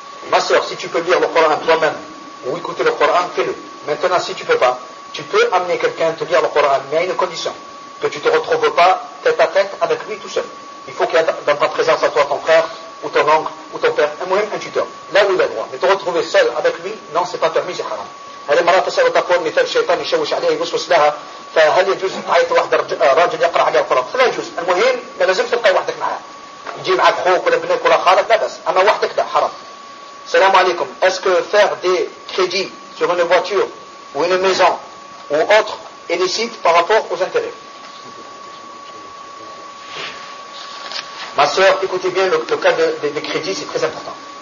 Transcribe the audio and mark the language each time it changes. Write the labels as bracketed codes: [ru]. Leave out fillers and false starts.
[fr] Ma sœur, si tu peux lire le Coran toi-même, ou écouter le Coran, fais-le. Maintenant, si tu ne peux pas, tu peux amener quelqu'un à te lire le Coran, mais à une condition, que tu ne te retrouves pas tête à tête avec lui tout seul. Il faut qu'il y ait dans ta présence à toi ton frère, ou ton oncle, ou ton père, et même un tuteur, là où il a droit. Mais te retrouver seul avec lui, non, ce n'est pas permis, c'est haram. [ar] هذه المرأة تسأل تقول مثال الشيطان يشوش عليها يوسوس لها فهل يجوز تعيط واحد راجل يقرأ عليها القرآن؟ لا يجوز، المهم ما لازم تلقي وحدك معها. يجي معك خوك ولا ابنك ولا خالك لا بس، أما وحدك لا حرام. السلام عليكم، [fr] est-ce que faire des crédits sur une voiture ou une maison ou autre est licite par rapport aux intérêts؟ Ma soeur, écoutez bien le cas des crédits, c'est très important.